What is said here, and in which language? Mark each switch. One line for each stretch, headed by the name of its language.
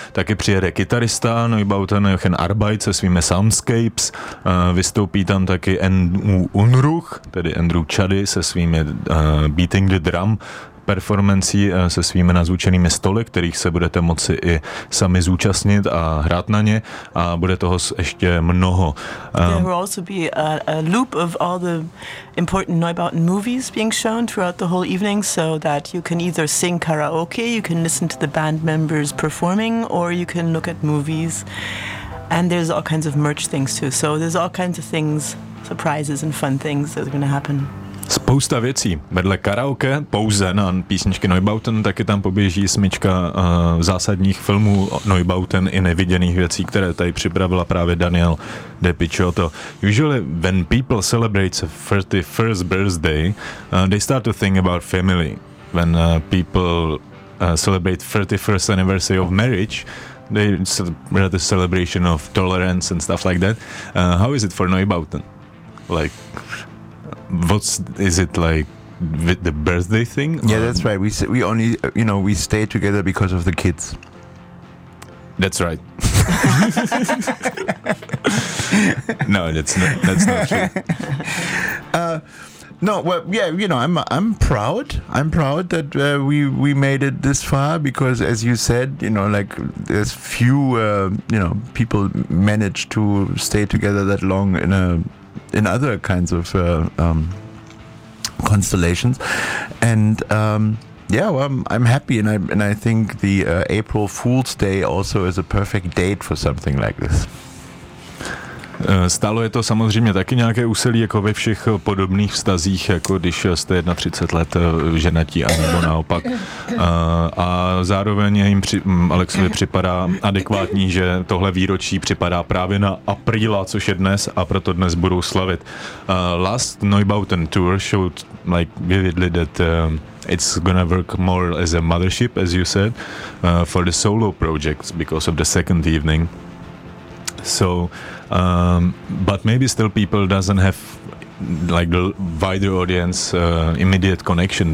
Czech: Taky přijede kytarista Neubauten Jochen Arbeit se svými soundscapes. Vystoupí tam taky Unruh, tedy Andrew Chady se svými Beating the Drum performancí se svými nazvučenými stoly, kterých se budete moci i sami zúčastnit a hrát na ně, a bude toho ještě mnoho.
English: There will also be a loop of all the important Neubauten movies being shown throughout the whole evening, so that you can either sing karaoke, you can listen to the band members performing, or you can look at movies. And there's all kinds of merch things too, so there's all kinds of things, surprises and fun things that are going to happen.
Czech: Spousta věcí. Vedle karaoke, pouze na písničky Neubauten, taky tam poběží smyčka zásadních filmů Neubauten i neviděných věcí, které tady připravila právě Daniel De Picciotto.
English: Usually when people celebrate the 31st birthday, they start to think about family. When people celebrate 31st anniversary of marriage, they have the celebration of tolerance and stuff like that. How is it for Neubauten? Like, what is it like with the birthday thing? Yeah, that's right. We only, you know, we stay together because of the kids. That's right. No, that's not true. I'm proud. I'm proud that we made it this far, because as you said, you know, like there's few people manage to stay together that long in other kinds of constellations, and Yeah, well, I'm happy, and I think the April Fool's Day also is a perfect date for something like this.
Czech: Stálo je to samozřejmě taky nějaké úsilí, jako ve všech podobných vztazích, jako když jste 31 let ženatí, anebo naopak. A zároveň jim Alexovi připadá adekvátní, že tohle výročí připadá právě na apríla, což je dnes, a proto dnes budou slavit.
English: Last Neubauten Tour showed, like, vividly that it's gonna work more as a mothership, as you said, for the solo projects, because of the second evening. So, but maybe still people doesn't have like the wider audience immediate connection.